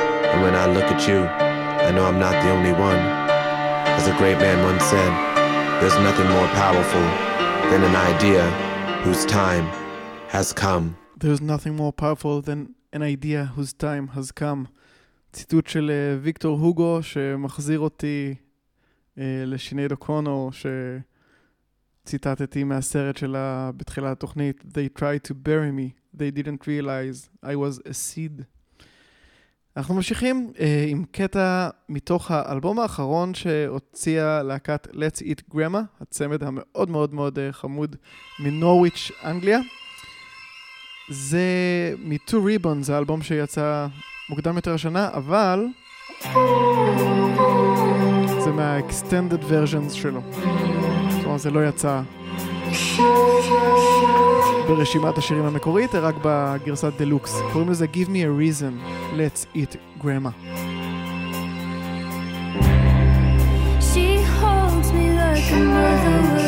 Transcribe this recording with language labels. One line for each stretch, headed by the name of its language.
English: And when I look at you, I know I'm not the only one. As a great man once said, there's nothing more powerful than an idea whose time has come. There's nothing more powerful than an idea whose time has come.
Hebrew: ציטוט של ויקטור הוגו שמחזיר אותי לשינייד אוקונור שציטטתי מהסרט שלה בתחילת התוכנית
English: They tried to bury me, they didn't realize I was a seed.
Hebrew: אנחנו ממשיכים עם קטע מתוך האלבום האחרון שהוציאה להקת Let's Eat Grandma, הצמד המאוד מאוד מאוד חמוד מנורוויץ' אנגליה. זה מ-Two Ribbons, האלבום שיצא מוקדם יותר השנה, אבל זה מה-extended versions שלו. זאת אומרת, זה לא יצא ברשימת השירים המקורית, רק בגרסת דלוקס. קוראים לזה Give Me a Reason, Let's Eat Grandma.
English: She holds me like a mother.